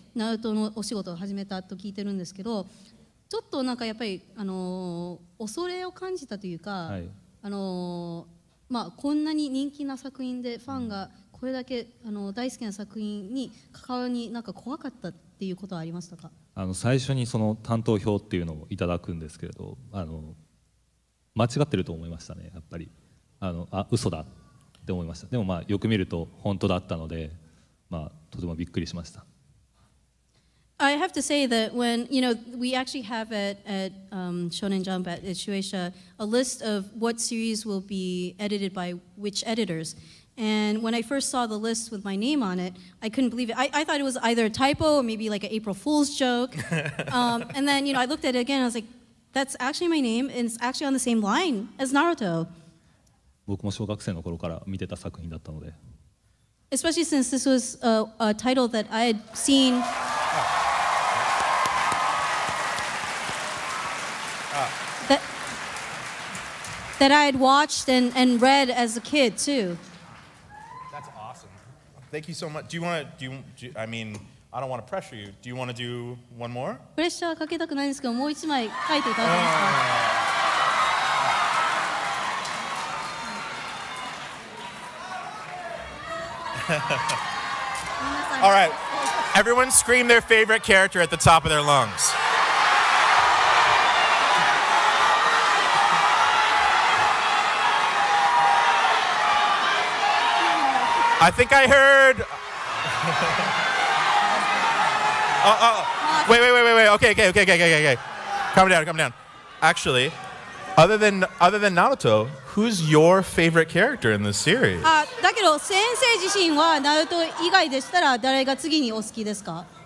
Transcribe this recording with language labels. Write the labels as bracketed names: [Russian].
[Japanese] ナルトのお仕事を始めたと聞いてるんですけど、ちょっとなんかやっぱり恐れを感じたというか、はい、まあ、こんなに人気な作品でファンがこれだけ大好きな作品に関わるになんか怖かったっていうことはありましたか？最初にその担当票っていうのをいただくんですけれど、間違ってると思いましたね、やっぱり。嘘だって思いました。でもまあよく見ると本当だったので、まあ、とてもびっくりしました。 [English] I have to say that when, you know, we actually have at Shonen Jump at Shueisha a list of what series will be edited by which editors. And when I first saw the list with my name on it, I couldn't believe it. I thought it was either a typo or maybe like an April Fool's joke. And then, you know, I looked at it again. I was like, that's actually my name. And it's actually on the same line as Naruto. [Japanese] 僕も小学生の頃から見てた作品だったので。 [English] Especially since this was a title that I had seen. That I had watched and read as a kid too. That's awesome. Thank you so much. I don't want to pressure you. Do you want to do one more? [Japanese] プレッシャーはかけたくないんですけど、もう一枚書いていただけますか？ [English] All right, everyone scream their favorite character at the top of their lungs. I think I heard... Wait. Okay. Calm down. Actually, other than Naruto, who's your favorite character in this series? [Japanese] だけど先生自身はナルト以外でしたら誰が次にお好きですか？